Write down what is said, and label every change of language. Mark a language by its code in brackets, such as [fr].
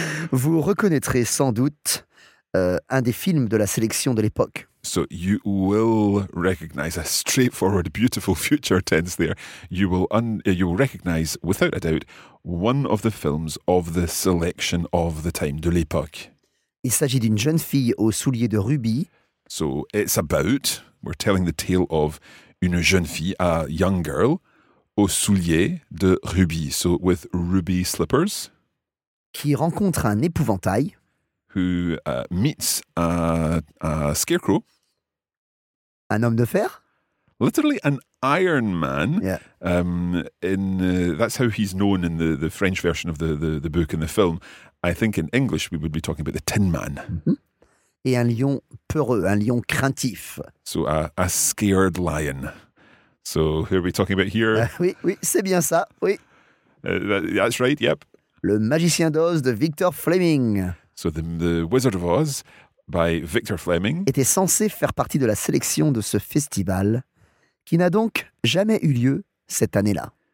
[fr] Vous reconnaîtrez sans doute un des films de la sélection de l'époque. [en] So you will recognize a straightforward, beautiful future tense there. You will recognize, without a doubt, one of the films of the selection of the time, [fr] de l'époque. Il s'agit d'une jeune fille aux souliers de rubis. [en] So it's about, we're telling the tale of [fr] une jeune fille, [en] a young girl, [fr] aux souliers de rubis. [en] So with ruby slippers. [fr] Qui rencontre un épouvantail. [en] Who meets a scarecrow. [fr] Un homme de fer. [en] Literally an Iron Man. Yeah. That's how he's known in the French version of the book and the film. I think in English we would be talking about the Tin Man. [fr] Mm-hmm. Et un lion peureux, un lion craintif. [en] So a scared lion. So who are we talking about here? [fr] Oui, c'est bien ça, oui. [en] That's right, yep. [fr] Le Magicien d'Oz de Victor Fleming. [en] So the Wizard of Oz by Victor Fleming [fr] était censé faire partie de la sélection de ce festival qui n'a donc jamais eu lieu cette année-là.